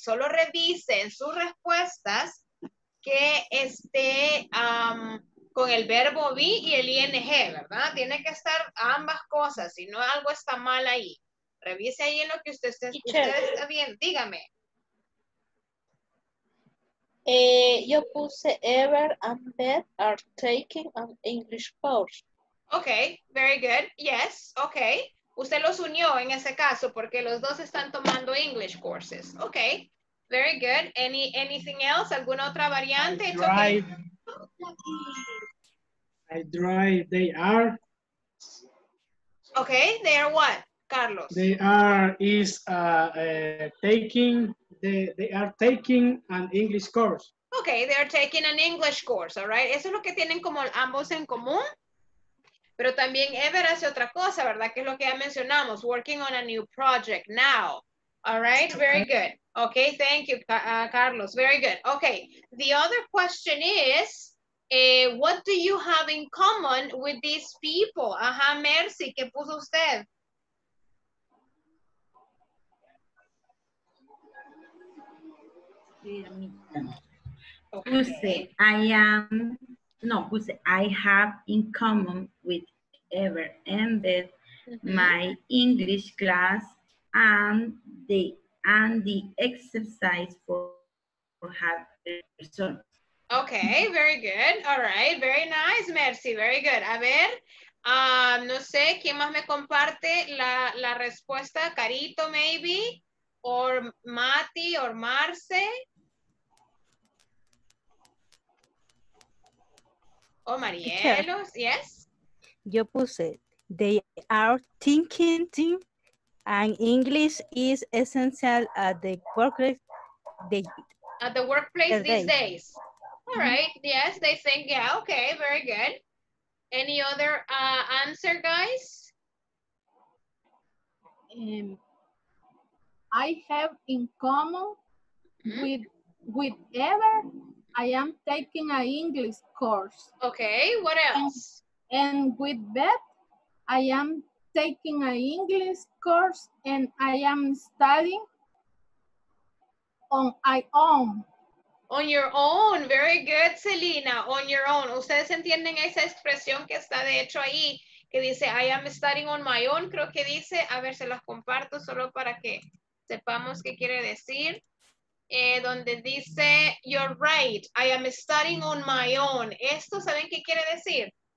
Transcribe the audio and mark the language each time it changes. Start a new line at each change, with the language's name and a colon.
Spanish: Solo revise en sus respuestas que esté con el verbo be y el ing, ¿verdad? Tiene que estar ambas cosas, si no algo está mal ahí. Revise ahí en lo que usted está bien. Dígame. Yo puse
English: Ever and Beth are taking an English course. Okay, very good. Yes, okay.
Spanish: Usted los unió en ese caso porque los dos están tomando
English: English courses. Okay, very good. Anything else?
Spanish: ¿Alguna otra variante?
English: I drive. Okay. I drive. They are. Okay, they are what? Carlos. They are is taking they are taking an English course. Okay, they are taking an English course, all right?
Spanish: Eso es lo que tienen como ambos en común. Pero también Ever hace otra cosa, ¿verdad? Que es lo que ya mencionamos,
English: working on a new project now. All right, very good. Okay, thank you, Carlos. Very good. Okay. The other question is what do you have in common with these people?
Spanish: Ajá, Mercy, ¿qué puso usted?
English: Okay.
Spanish: Puse,
English: I have in common with Ever and Beth my English class and the exercise for half person. Okay, very good. All right, very nice, Mercy. Very good.
Spanish: A ver, no sé, ¿quién más me comparte la respuesta?
English: Carito, maybe, or Mati, or Marce. Oh, Marielos, yes.
Spanish: Yo puse,
English: They are thinking and English is essential at the workplace. At the workplace these days. All right. Mm-hmm. Yes, they think, yeah, okay, very good. Any other answer, guys? I have in common with Ever, I am taking an English course. Okay, what else? And with Beth, I am taking an English course and I am studying on my own. On your own, very good, Selena, on your own.
Spanish: ¿Ustedes entienden esa expresión que está de hecho ahí? Que dice,
English: I am studying on my own,
Spanish: creo que dice. A ver, se las comparto solo para que sepamos qué quiere decir. Donde dice,
English: you're right, I am studying on my own.
Spanish: ¿Esto saben qué quiere decir?